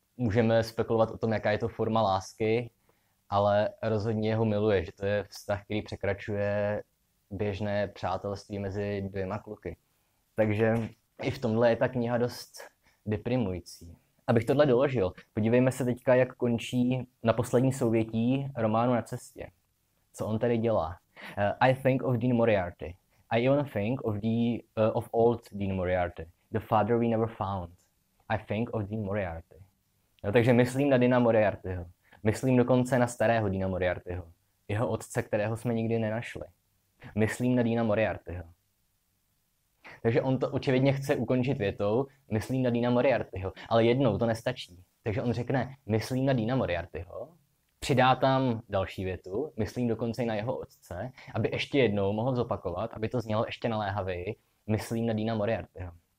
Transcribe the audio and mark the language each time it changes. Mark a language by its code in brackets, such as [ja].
[cs] Můžeme spekulovat o tom, jaká je to forma lásky, ale rozhodně ho miluje, že to je vztah, který překračuje běžné přátelství mezi dvěma kluky. Takže i v tomhle je ta kniha dost deprimující. Abych tohle doložil, podívejme se teďka, jak končí na poslední souvětí románu Na cestě. Co on tady dělá? [en] I think of Dean Moriarty. I even think of of old Dean Moriarty, the father we never found. I think of Dean Moriarty. [cs] No, takže myslím na Deana Moriartyho. Myslím dokonce na starého Deana Moriartyho. Jeho otce, kterého jsme nikdy nenašli. Myslím na Deana Moriartyho. Takže on to očividně chce ukončit větou, myslím na Deana Moriartyho, ale jednou to nestačí. Takže on řekne, myslím na Deana Moriartyho, přidá tam další větu, myslím dokonce i na jeho otce, aby ještě jednou mohl zopakovat, aby to znělo ještě naléhavěji, myslím na Deana Moriartyho.